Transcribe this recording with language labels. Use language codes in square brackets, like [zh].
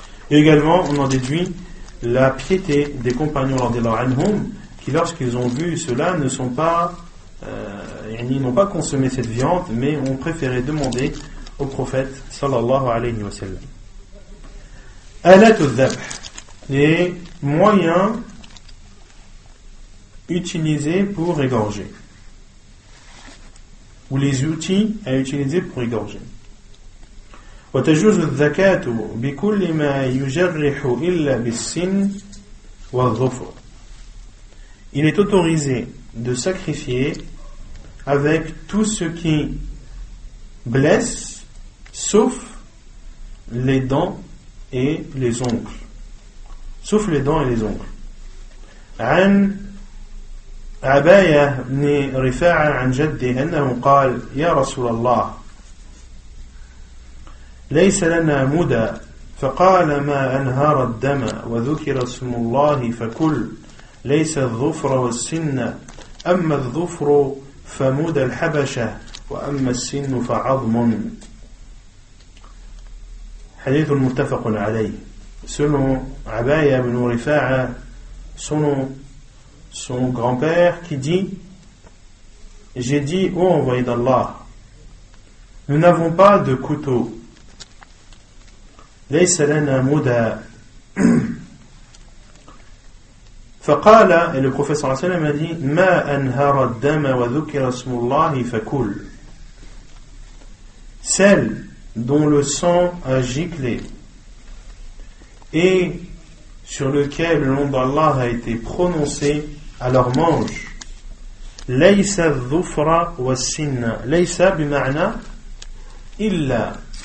[fr] Et également, on en déduit la piété des compagnons lors de leur anhum, qui lorsqu'ils ont vu cela, ne sont pas, ils n'ont pas consommé cette viande, mais ont préféré demander au prophète, sallallahu alayhi wa sallam. Alat al-dhabh, les moyens utilisés pour égorger, ou les outils à utiliser pour égorger. [ar] وتجوز الزكاة بكل ما يجرح إلا بالسن والظفر. [fr] Il est autorisé de sacrifier avec tout ce qui blesse, sauf les dents et les ongles. Sauf les dents et les ongles. [ar] عن عباية بن رفاعة عن جده أنه قال يا رسول الله ليس لنا مدى فقال ما أنهار الدم وذكر اسم الله فكل ليس الظفر والسن أما الظفر فمدى الحبشة وأما السن فعظم. حديث متفق عليه. [fr] Selon عباية بن رفاعة, son grand-père qui dit, j'ai dit au envoyé d'Allah, nous n'avons pas de couteau. [ar] ليس لنا مدى. فقال, [fr] et le professeur a dit, [ar] ما أنهار الدم وذكر اسم الله فكل. [fr] Celle dont le sang a giclé et sur lequel le nom d'Allah a été prononcé, alors mange. [ar] ليس الظفر والسن. ليس بمعنى إلا.